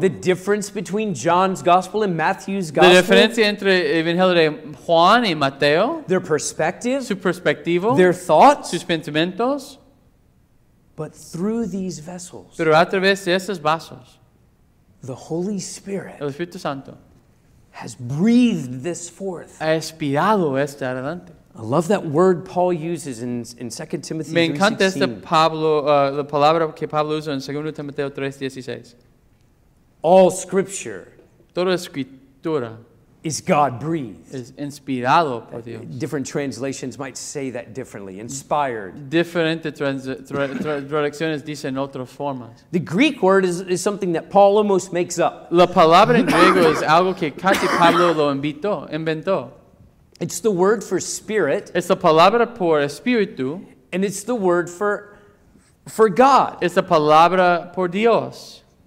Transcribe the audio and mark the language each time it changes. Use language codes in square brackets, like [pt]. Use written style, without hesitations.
[en] The difference between John's gospel and Matthew's gospel. [es] La diferencia entre el evangelio de Juan y Mateo. [en] Their perspective. [es] Su perspectivo. [en] Their thoughts. [es] Sus pensamientos. [en] But through these vessels. [es] Pero a través de esos vasos. [en] The Holy Spirit. [es] El Espíritu Santo. [en] Has breathed this forth. [es] Ha expirado este adelante. [en] I love that word Paul uses in 2 Timothy 3:16. [es] Me encanta esta Pablo, la palabra que Pablo usa en 2 Timoteo 3:16. [en] All Scripture. [es] Toda escritura. [en] Is God-breathed. [es] Es inspirado por Dios. [en] Different translations might say that differently. Inspired. [es] Diferentes traducciones dicen otras formas. [en] The Greek word is something that Paul almost makes up. [es] La palabra en griego es algo que casi Pablo lo inventó. [en] It's the word for spirit. [es] Es la palabra por espíritu. [en] And it's the word for God. [es] Es la palabra por Dios.